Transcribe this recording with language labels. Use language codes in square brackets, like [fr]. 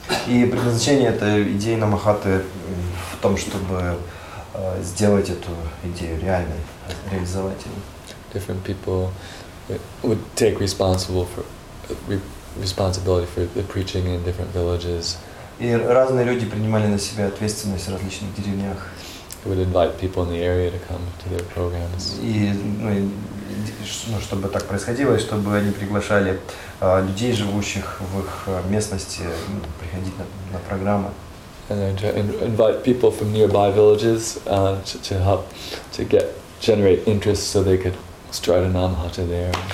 [ru] И предназначение этой идеи Намахаты в том, чтобы сделать эту идею реальной, реализовать ее. [en] Different people would take responsibility for the preaching in different villages. [ru] И разные люди принимали на себя ответственность в различных деревнях. [en] Would invite people in the area to come to their programs. [ru] И, ну, чтобы так происходило, и чтобы они приглашали людей, живущих в их местности, приходить на программы. [en] And invite people from nearby villages to help to get generate interest, so they could start a Namahata there.